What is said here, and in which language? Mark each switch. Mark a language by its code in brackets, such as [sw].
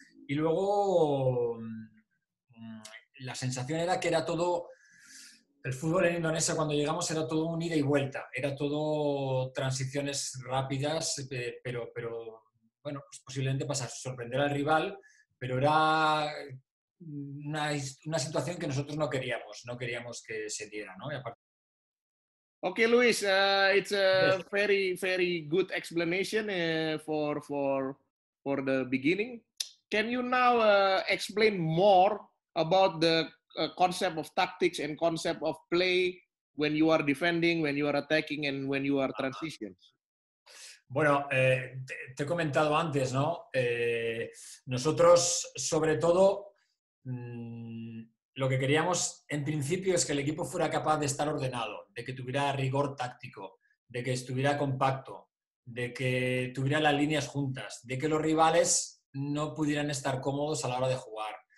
[es] Y luego la sensación era que era todo, el fútbol en Indonesia cuando llegamos era todo un ida y vuelta, era todo transiciones rápidas, pero bueno, pues posiblemente para sorprender al rival, pero era una situación que nosotros no queríamos que se diera, ¿no? Y aparte, [en] okay, Luis. It's a very, very good explanation for the beginning. Can you now explain more about the concept of tactics and concept of play when you are defending, when you are attacking, and when you are transitions? [es] Bueno, te he comentado antes, ¿no? Nosotros, sobre todo, lo que queríamos en principio es que el equipo fuera capaz de estar ordenado, de que tuviera rigor táctico, de que estuviera compacto, de que tuviera las líneas juntas, de que los rivales no pudieran estar cómodos a la hora de jugar.